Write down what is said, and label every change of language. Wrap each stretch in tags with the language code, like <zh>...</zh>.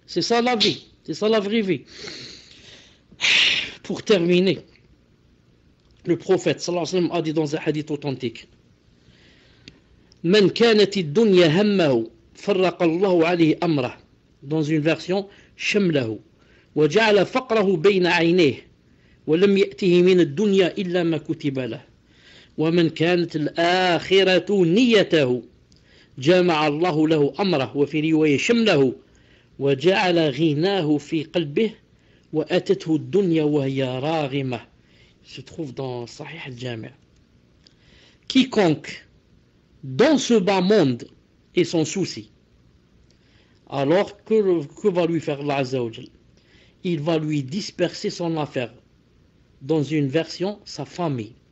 <fr>C'est ça la vie, c'est ça la vraie vie. Pour terminer, le prophète sallallahu alayhi wa sallam a dit dans un hadith authentique:</fr> <ar>Man kanat ad-dunya hammahu farraqa Allah alayhi amra,</ar> <fr>dans une version shamlahu.</fr> <ar>وجعل فقره بين عينيه ولم يأته من الدنيا إلا ما كتب له ومن كانت الآخرة نيته جمع الله له أمره وفي رواية شمله وجعل غناه في قلبه وأتته الدنيا وهي راغمة.</ar> <fr>Se trouve dans صحيح الجامع. Quiconque dans ce bas monde est sans souci, alors que va lui faire Allah Azza wa Jalla? Il va lui disperser son affaire. Dans une version, sa famille.</fr>